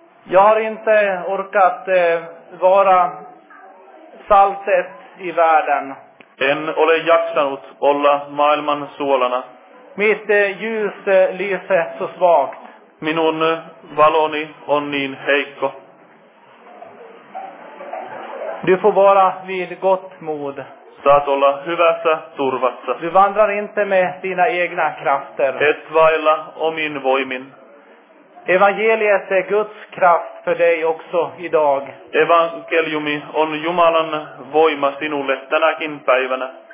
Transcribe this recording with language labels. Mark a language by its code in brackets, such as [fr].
[sv] Jag har inte orkat vara saltet i världen. [fi] En ole jaksanut olla maailman suolana. [sv] Mitt ljus lyser så svagt. [fi] Minun valoni on niin heikko. [sv] Du får vara vid gott mod. [fi] Saat olla hyvässä turvassa. [sv] Du vandrar inte med dina egna krafter. [fi] Et vaella omin voimin. [sv] Evangeliet är Guds kraft för dig också idag. [fi] Evankeliumi on Jumalan voima sinulle tänäkin päivänä.